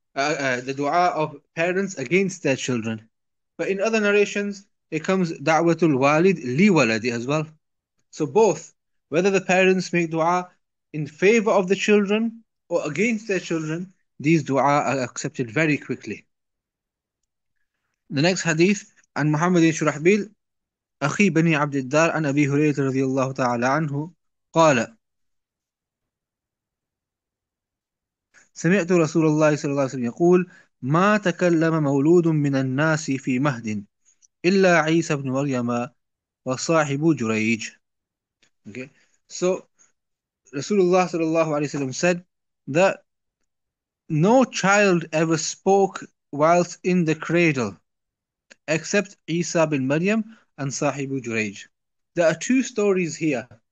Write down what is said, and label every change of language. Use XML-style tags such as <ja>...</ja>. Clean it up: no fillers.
<en>The dua of parents against their children. But in other narrations, it comes da'watul walid li waladi as well. So both, whether the parents make dua in favor of the children or against their children, these dua are accepted very quickly.</en> <ar>The next hadith, عن محمد بن شرحبيل أخي بني عبد الدار عن أبي هريرة رضي الله تعالى عنه قال سمعت رسول الله صلى الله عليه وسلم يقول ما تكلم مولود من الناس في مهد إلا عيسى بن مريم وصاحب جريج.</ar> <en>Okay. So رسول الله صلى الله عليه وسلم said that no child ever spoke whilst in the cradle except Isa bin Maryam and Sahibu Juraij. There are two stories here.</en>